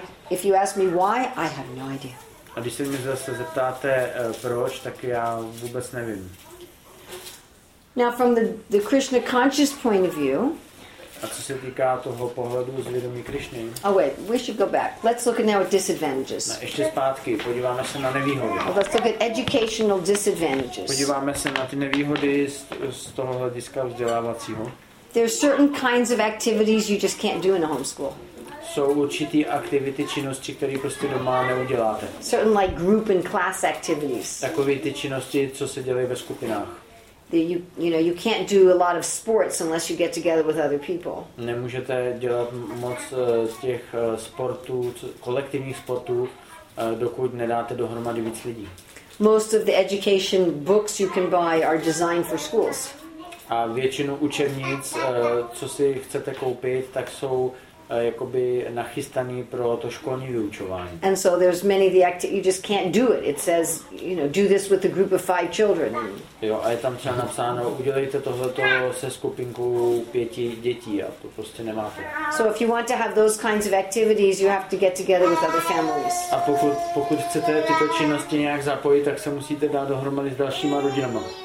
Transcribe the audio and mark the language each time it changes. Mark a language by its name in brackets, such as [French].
[English] If you ask me why, I have no idea. [Czech] A když se mě zase zeptáte proč, tak já vůbec nevím. [English] Now from the Krishna conscious point of view. [Czech] A co se týká toho pohledu z vědomí Krišny. [English] Oh wait, we should go back. Let's look at now at disadvantages. [Czech] Na ještě zpátky, podíváme se na nevýhody. [English] Well, let's look at educational disadvantages. [Czech] Podíváme se na ty nevýhody z toho hlediska vzdělávacího. [English] There are certain kinds of activities you just can't do in a homeschool. [Czech] Jsou určitý aktivity, činnosti, které prostě doma neuděláte. [English] Certain like group and class activities. [Czech] Takové ty činnosti, co se dělají ve skupinách. [English] You can't do a lot of sports unless you get together with other people. [Czech] Nemůžete dělat moc těch sportů, kolektivních sportů, dokud nedáte dohromady víc lidí. [English] Most of the education books you can buy are designed for schools. [Czech] A většinu učebnic, co si chcete koupit, tak jsou jakoby nachystaný pro to školní vyučování. [English] And so there's many the act you just can't do it. It says, you know, do this with a group of 5 children. [Czech] Jo, a je tam třeba napsáno, udělejte tohleto se skupinkou 5 dětí a to prostě nemáte. [English] So if you want to have those kinds of activities, you have to get together with other families. [Czech] A pokud chcete tyto činnosti nějak zapojit, tak se musíte dát dohromady s dalšíma rodinama.